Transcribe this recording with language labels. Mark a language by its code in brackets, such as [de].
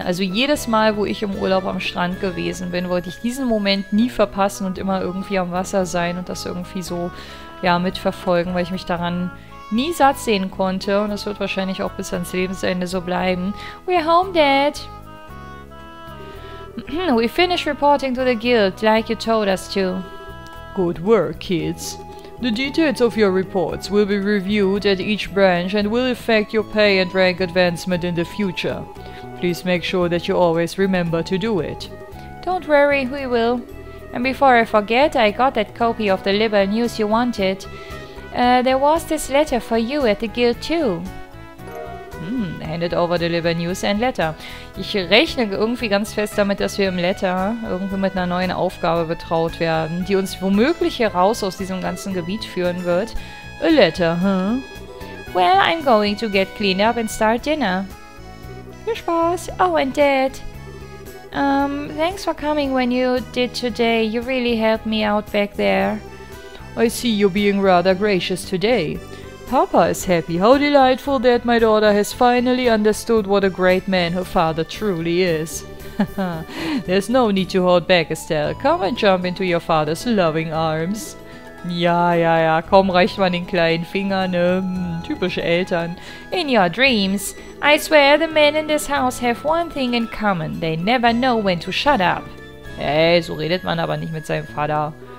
[de] Also jedes Mal, wo ich im Urlaub am Strand gewesen bin, wollte ich diesen Moment nie verpassen und immer irgendwie am Wasser sein und das irgendwie so, ja, mitverfolgen, weil ich mich daran nie satt sehen konnte. Und das wird wahrscheinlich auch bis ans Lebensende so bleiben. [en] We're home, Dad! We finished reporting to the guild, like you told us to. Good work, kids. The details of your reports will be reviewed at each branch and will affect your pay and rank advancement in the future. Please make sure that you always remember to do it. Don't worry, we will. And before I forget, I got that copy of the liberal news you wanted. There was this letter for you at the guild too. Handed over the liberal news and letter. [de] Ich rechne irgendwie ganz fest damit, dass wir im Letter irgendwie mit einer neuen Aufgabe betraut werden, die uns womöglich heraus aus diesem ganzen Gebiet führen wird. [en] A letter, huh? Well, I'm going to get cleaned up and start dinner. [de] Viel Spaß. [en] Oh, and Dad. Thanks for coming when you did today. You really helped me out back there. I see you're being rather gracious today. Papa is happy. How delightful that my daughter has finally understood what a great man her father truly is. There's no need to hold back, Estelle. Come and jump into your father's loving arms. [de] Ja, ja, ja. Komm, reicht man den kleinen Finger, ne? Typische Eltern. [en] In your dreams. I swear the men in this house have one thing in common. They never know when to shut up. [de] Hey, so redet man aber nicht mit seinem Vater.